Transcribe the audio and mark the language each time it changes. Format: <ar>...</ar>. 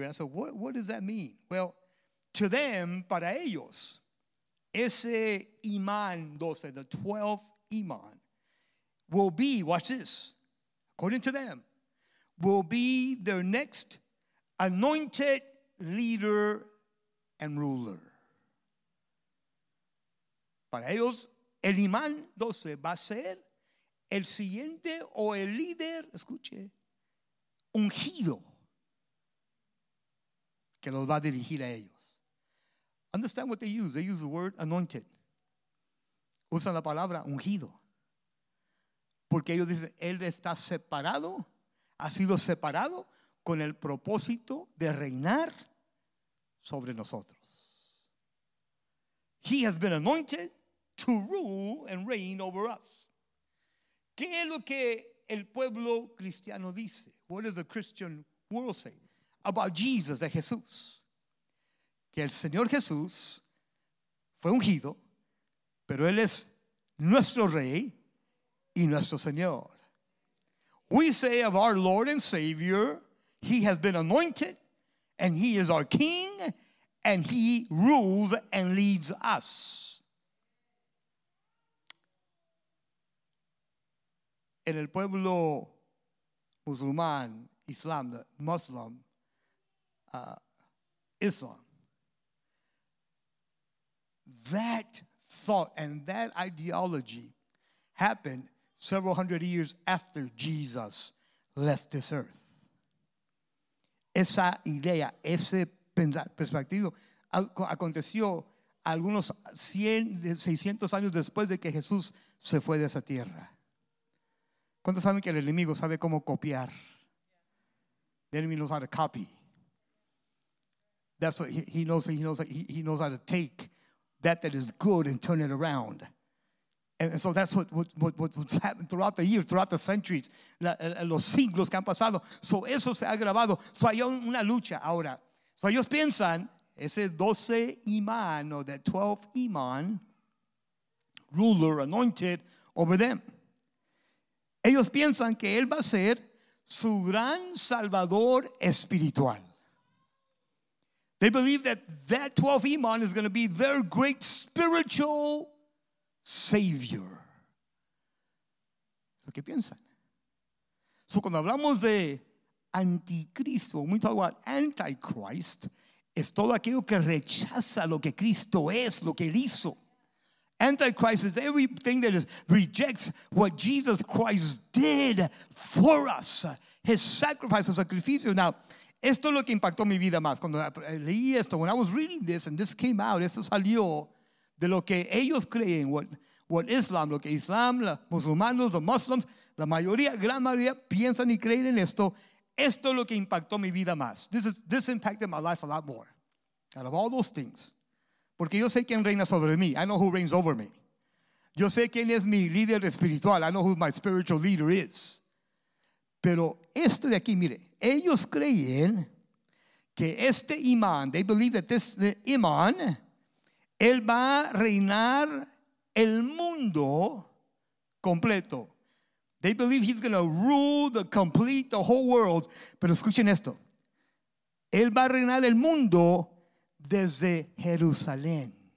<en>And I said, what does that mean? Well, to them,</en> <es>para ellos, ese imán 12,</es> <en>the 12th imán, will be, watch this. According to them, will be their next anointed leader and ruler.</en> <es>Para ellos, el imán 12 va a ser el siguiente o el líder, escuche, ungido que los va a dirigir a ellos.</es> <en>Understand what they use. They use the word anointed.</en> <es>Usan la palabra ungido. Porque ellos dicen, él está separado, ha sido separado con el propósito de reinar sobre nosotros.</es> <en>He has been anointed to rule and reign over us.</en> <es>¿Qué es lo que el pueblo cristiano dice?</es> <en>What does the Christian world say about Jesus,</en> <es>de Jesús? Que el Señor Jesús fue ungido, pero él es nuestro rey. Y nuestro Señor.</es> <en>We say of our Lord and Savior, he has been anointed and he is our King and he rules and leads us.</en> <es>en el pueblo musulmán, Islam, Muslim, Islam.</es> <en>That thought and that ideology happened several hundred years after Jesus left this earth.</en> <es>Esa idea, ese perspectivo, aconteció algunos 100, 600 años después de que Jesús se fue de esa tierra. ¿Cuántos saben que el enemigo sabe cómo copiar?</es> <en>The enemy knows how to copy. That's what he knows how to take that is good and turn it around. And so that's what's happened throughout the years, throughout the centuries,</en> <es>los siglos que han pasado. So eso se ha grabado. So hay una lucha ahora. So ellos piensan, ese 12 imán,</es> <en>or that 12 imán, ruler anointed over them.</en> <es>Ellos piensan que él va a ser su gran salvador espiritual.</es> <en>They believe that 12 imán is going to be their great spiritual savior.</en> <es>¿Lo que piensan? So cuando hablamos de anticristo,</es> <en>when we talk about antichrist,</en> <es>es todo aquello que rechaza lo que Cristo es, lo que él hizo.</es> <en>Antichrist is everything that rejects what Jesus Christ did for us. His sacrifice, his sacrificio.</en> <es>Now, esto es lo que impactó mi vida más. Cuando leí esto,</es> <en>when I was reading this and this came out,</en> <es>esto salió de lo que ellos creen,</es> <en>what Islam,</en> <es>lo que Islam, los musulmanos,</es> <en>the Muslims,</en> <es>la mayoría, gran mayoría piensan y creen en esto. Esto es lo que impactó mi vida más.</es> <en>This impacted my life a lot more. Out of all those things.</en> <es>Porque yo sé quién reina sobre mí.</es> <en>I know who reigns over me.</en> <es>Yo sé quién es mi líder espiritual.</es> <en>I know who my spiritual leader is.</en> <es>Pero esto de aquí, mire. Ellos creen que este imán,</es> <en>they believe that this imán,</en> <es>él va a reinar el mundo completo.</es> <en>They believe he's going to rule the complete, the whole world.</en> <es>Pero escuchen esto. Él va a reinar el mundo desde Jerusalén.</es>